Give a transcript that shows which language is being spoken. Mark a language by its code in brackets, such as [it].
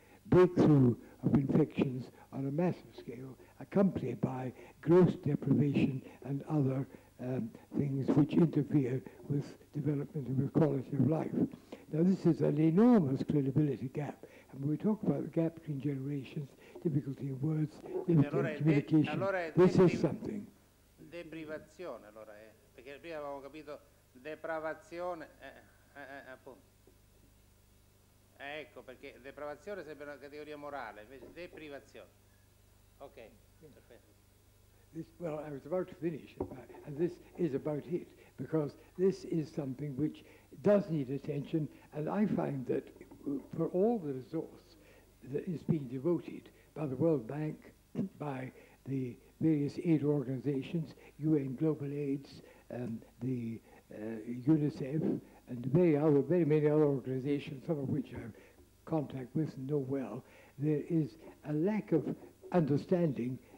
[en] Breakthrough of infections on a massive scale, accompanied by gross deprivation and other things which interfere with development and with quality of life. Now, this is an enormous credibility gap. And when we talk about the gap between generations, difficulty in words, difficulty in communication, this is something. [it] Deprivazione, allora, perché prima avevamo capito depravazione, appunto. Ecco, perché depravazione sembra una categoria morale, invece deprivazione. Ok, perfetto. [en] This, well, I was about to finish, and this is about it, because this is something which does need attention, and I find that for all the resource that is being devoted by the World Bank, by the various aid organizations, UN Global AIDS, the UNICEF, and very many other organizations, some of which I have contact with and know well, there is a lack of understanding.